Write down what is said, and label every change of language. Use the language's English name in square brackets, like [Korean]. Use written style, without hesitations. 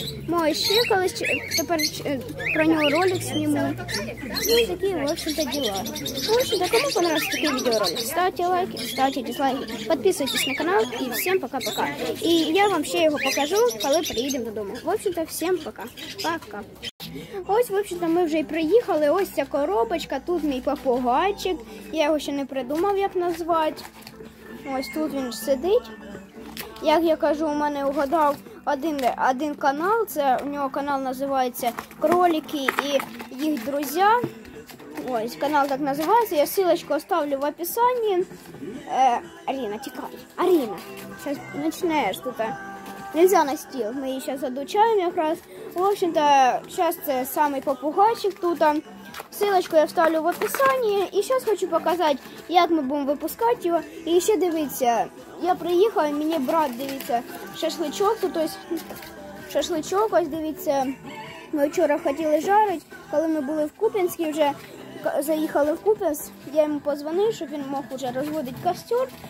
[Russian] Мой щеколыч, теперь про него ролик сниму. И такие в общем-то дела. В общем-то, кому понравился такой видеоролик, ставьте лайки, ставьте дизлайки, подписывайтесь на канал и всем пока-пока. И я вам все его покажу, когда приедем до дома. В общем-то, всем пока. Пока. [Ukrainian] Ось, [Russian] в общем-то, [Ukrainian] ми вже й приїхали, ось ця коробочка, тут мій попугайчик, я його ще не придумав, як назвати. Ось тут він сидить, як я кажу, у мене угадав один канал, це у нього канал називається «Кролики і їх друзі». Ось, канал так називається, [Russian] я ссылочку оставлю [Ukrainian] в описанні. Аріна, тікай, Аріна, зараз починаєш тут. Нельзя на стіл, ми її зараз задучаємо якраз. [Russian] В общем-то, сейчас [Ukrainian] це самий попугайчик тут. [Russian] Ссылочку я вставлю в описанні. [Ukrainian] І зараз хочу показати, як ми будемо випускати його. І ще дивіться, я приїхав, мені брат дивиться шашличок тут. Ось шашличок, ось дивіться. Ми вчора хотіли жарити, коли ми були в Куп'янську вже. Заїхали в Куп'янськ, я йому позвонив, щоб він мог уже розводити костер.